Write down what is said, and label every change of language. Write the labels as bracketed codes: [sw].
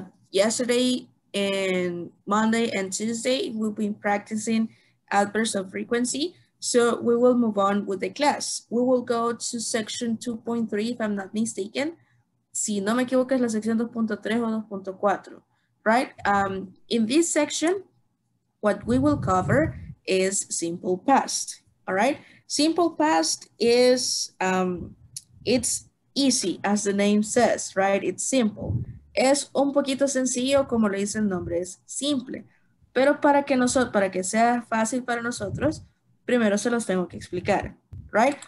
[en] Yesterday and Monday and Tuesday we've been practicing adverbs of frequency. So we will move on with the class. We will go to section 2.3 if I'm not mistaken. [es] Si no me equivoco, es la sección 2.3 o 2.4, right? [en] In this section, what we will cover is simple past, all right? Simple past is, it's easy, as the name says, right? It's simple. [es] Es un poquito sencillo, como le dice el nombre, es simple. Pero para que sea fácil para nosotros, primero se los tengo que explicar, right?